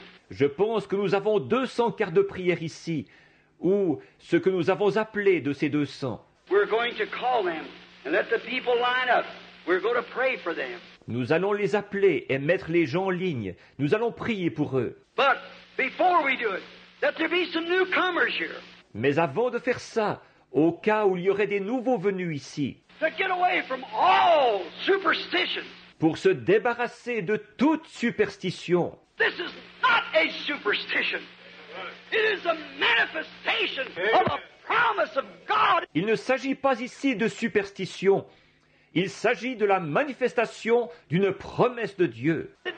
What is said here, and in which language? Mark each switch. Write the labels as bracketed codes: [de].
[fr] Je pense que nous avons 200 cartes de prière ici, ou ce que nous avons appelé de ces 200. [en] We're going to call them and let the people line up. We're going to pray for them. [fr] Nous allons les appeler et mettre les gens en ligne. Nous allons prier pour eux. [en] But before we do it, that there be some newcomers here. [fr] Mais avant de faire ça, au cas où il y aurait des nouveaux venus ici, [en] to get away from all superstition. [fr] Pour se débarrasser de toute superstition. [en] This is not a superstition. It is a manifestation of a promise of God. [fr] Il ne s'agit pas ici de superstition. Il s'agit de la manifestation d'une promesse de Dieu.